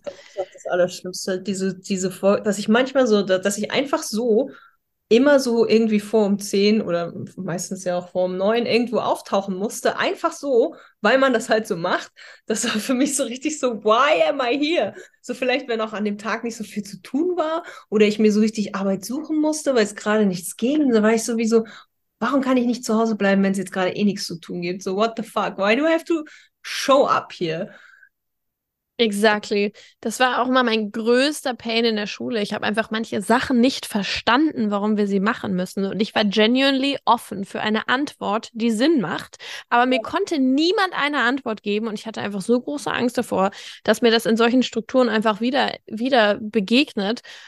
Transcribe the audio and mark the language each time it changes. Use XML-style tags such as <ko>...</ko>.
<de>das Allerschlimmste, dass ich manchmal so, dass ich einfach so immer so irgendwie vor um 10 oder meistens ja auch vor um 9 irgendwo auftauchen musste, einfach so, weil man das halt so macht. Das war für mich so richtig so,</de> <en>why am I here?</en> <de>So vielleicht, wenn auch an dem Tag nicht so viel zu tun war oder ich mir so richtig Arbeit suchen musste, weil es gerade nichts ging, da war ich sowieso, warum kann ich nicht zu Hause bleiben, wenn es jetzt gerade eh nichts zu tun gibt?</de> <en>So, what the fuck? Why do I have to show up here? Exactly.</en> <de>Das war auch immer mein größter Pain in der Schule. Ich habe einfach manche Sachen nicht verstanden, warum wir sie machen müssen. Und ich war genuinely offen für eine Antwort, die Sinn macht. Aber mir konnte niemand eine Antwort geben. Und ich hatte einfach so große Angst davor, dass mir das in solchen Strukturen einfach wieder begegnet.</de>